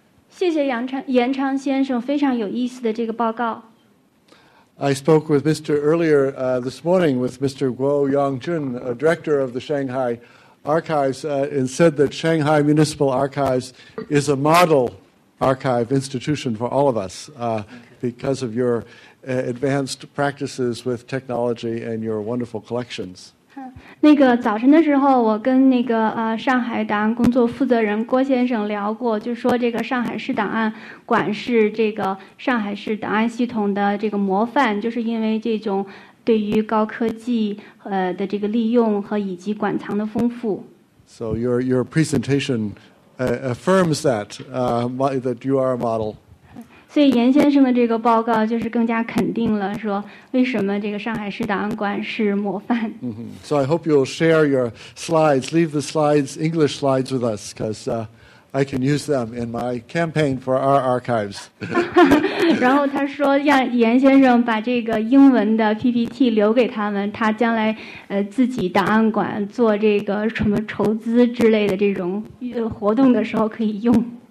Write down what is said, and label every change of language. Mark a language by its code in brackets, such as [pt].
[zh] 谢谢严昌先生非常有意思的这个报告。 [en] I spoke with Mr. earlier this morning with Mr. Guo Yongjun, director of the Shanghai Archives, and said that Shanghai Municipal Archives is a model archive institution for all of us because of your advanced practices with technology and your wonderful collections. [zh] 那个早晨的时候我跟那个上海档案工作负责人郭先生聊过，就说这个上海市档案馆是这个上海市档案系统的这个模范，就是因为这种对于高科技的这个利用和以及馆藏的丰富。 [en] So your presentation affirms that that you are a model. [zh] 所以严先生的这个报告就是更加肯定了说为什么这个上海市档案馆是模范。 [en] So I hope you'll share your slides, leave the slides, English slides with us, because I can use them in my campaign for our archives. [zh] 然后他说让严先生把这个英文的 PPT 留给他们，他将来自己档案馆做这个什么筹资之类的这种活动的时候可以用。